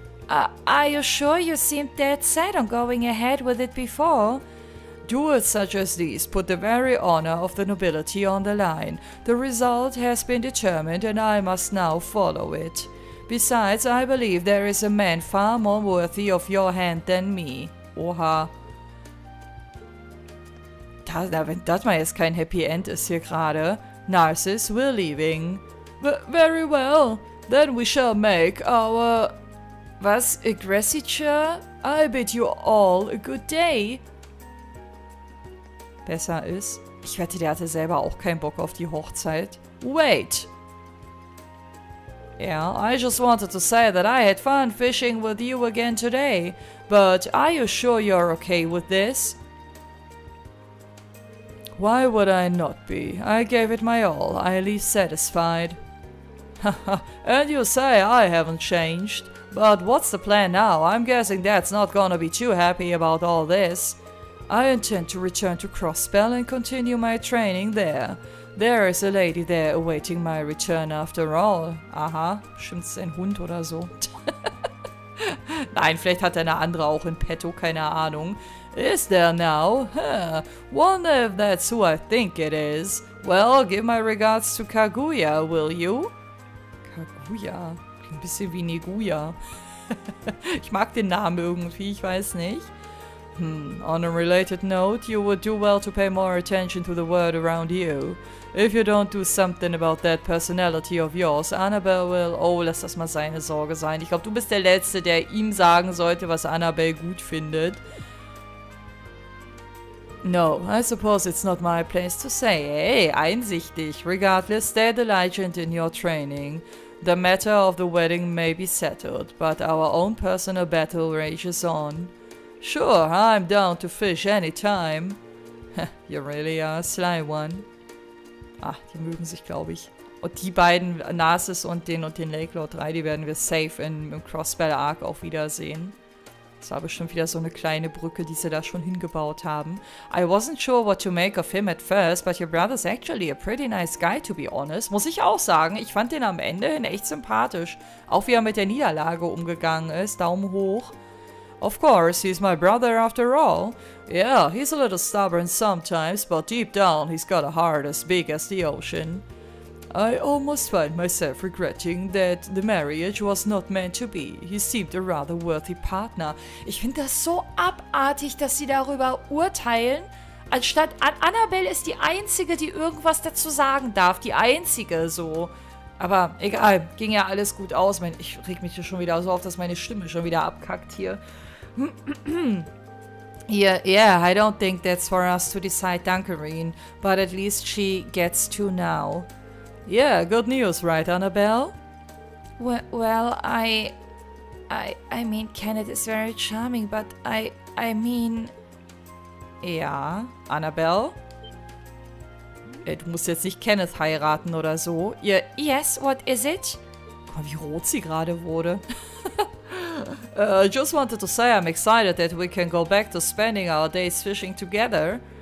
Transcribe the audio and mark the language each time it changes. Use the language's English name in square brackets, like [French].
[English] Are you sure you seemed dead set on going ahead with it before? Duels such as these put the very honor of the nobility on the line. The result has been determined and I must now follow it. Besides, I believe there is a man far more worthy of your hand than me. Oha. [German] Wenn das mal jetzt kein Happy End ist hier gerade. [English] Narcissus, we're leaving. Very well. Then we shall make our... [German] Was? Aggressiture? [English] I bid you all a good day. [German] Besser ist. Ich wette, der hatte selber auch keinen Bock auf die Hochzeit. [English] Wait. Yeah, I just wanted to say that I had fun fishing with you again today. But are you sure you're okay with this? Why would I not be? I gave it my all. I leave satisfied. Haha, and you say I haven't changed. But what's the plan now? I'm guessing Dad's not gonna be too happy about all this. I intend to return to Crossspell and continue my training there. There is a lady there awaiting my return after all. [German] Aha, bestimmt ein Hund oder so. Nein, vielleicht hat er eine andere auch in petto, keine Ahnung. [English] Is there now? Huh. Wonder if that's who I think it is. Well, give my regards to Kaguya, will you? [German] Kaguya? Ein bisschen wie Negoya. Ich mag den Namen irgendwie, ich weiß nicht. [English] On a related note, you would do well to pay more attention to the world around you. If you don't do something about that personality of yours, Annabelle will... [German] Oh, lass das mal seine Sorge sein. Ich glaube, du bist der Letzte, der ihm sagen sollte, was Annabelle gut findet. No, I suppose it's not my place to say. Hey, einsichtig. [English] Regardless, stay the legend in your training. The matter of the wedding may be settled, but our own personal battle rages on. Sure, I'm down to fish any time. You really are a sly one. [German] Ach, die mögen sich, glaube ich. Und die beiden, Narsis und den Lake Lord 3, die werden wir safe im Crossbell Arc auch wiedersehen. Das war bestimmt wieder so eine kleine Brücke, die sie da schon hingebaut haben. [English] I wasn't sure what to make of him at first, but your brother's actually a pretty nice guy, to be honest. [German] Muss ich auch sagen, ich fand den am Ende hin echt sympathisch. Auch wie er mit der Niederlage umgegangen ist. Daumen hoch. [English] Of course, he's my brother after all. Yeah, he's a little stubborn sometimes, but deep down he's got a heart as big as the ocean. I almost find myself regretting that the marriage was not meant to be. He seemed a rather worthy partner. [German] Ich finde das so abartig, dass sie darüber urteilen, anstatt Annabelle ist die Einzige, die irgendwas dazu sagen darf. Die Einzige, so. Aber egal, ging ja alles gut aus. Ich reg mich hier schon wieder so auf, dass meine Stimme schon wieder abkackt hier. [English] Yeah, I don't think that's for us to decide, Dunkerine. But at least she gets to now. Yeah, good news, right, Annabelle? Well, I mean, Kenneth is very charming, but I mean... [German] Ja, Annabelle? Du musst jetzt nicht Kenneth heiraten oder so. [English] Yes, what is it? [German] Guck mal, wie rot sie gerade wurde. [English] I just wanted to say I'm excited that we can go back to spending our days fishing together.